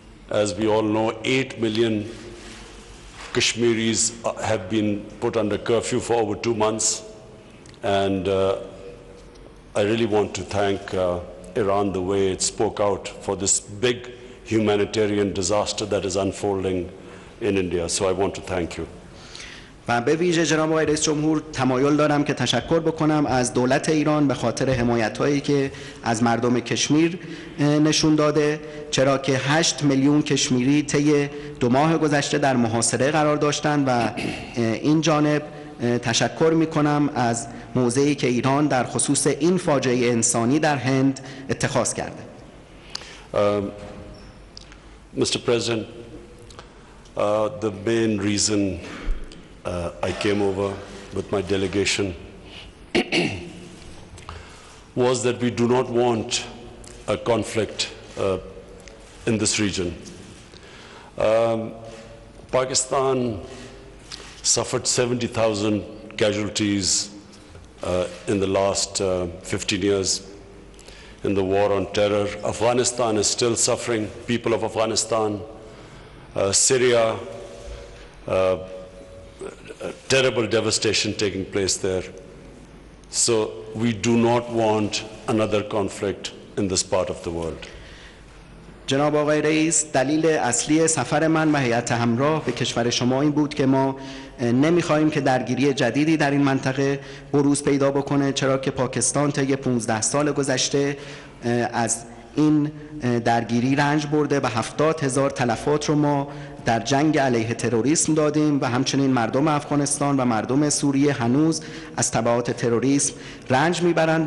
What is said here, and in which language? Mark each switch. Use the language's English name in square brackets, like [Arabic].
[English] As we all know, 8 million Kashmiris have been put under curfew for over 2 months, and I really want to thank Iran the way it spoke out for this big humanitarian disaster that is unfolding in India. So I want to thank you. [Persian] و به ویژه جناب آقای رئیس جمهور تمایل دارم که تشکر بکنم از دولت ایران به خاطر حمایت‌هایی که از مردم کشمیر نشون داده، چرا که 8 میلیون کشمیری طی دو ماه گذشته در محاصره قرار داشتند. و این جانب تشکر می‌کنم از موضعی که ایران در خصوص این فاجعه انسانی در هند اتخاذ کرده. [English] Mr. President, the main reason I came over with my delegation was that we do not want a conflict in this region. Pakistan suffered 70,000 casualties in the last 15 years in the war on terror. Afghanistan is still suffering, people of Afghanistan, Syria, terrible devastation taking place there. So we do not want another conflict in this part of the world. [Persian] جناب آقای رئیس، دلیل اصلی سفر من و هیئت همراه به کشور شما این بود که ما نمی‌خوایم که درگیری جدیدی در این منطقه بروز پیدا بکنه، چرا که پاکستان طی 15 سال گذشته از این درگیری رنج برده و 70,000 تلفات رو ما در جنگ علیه تروریسم دادیم و همچنین مردم افغانستان و مردم سوریه هنوز از تبعات تروریسم رنج میبرند.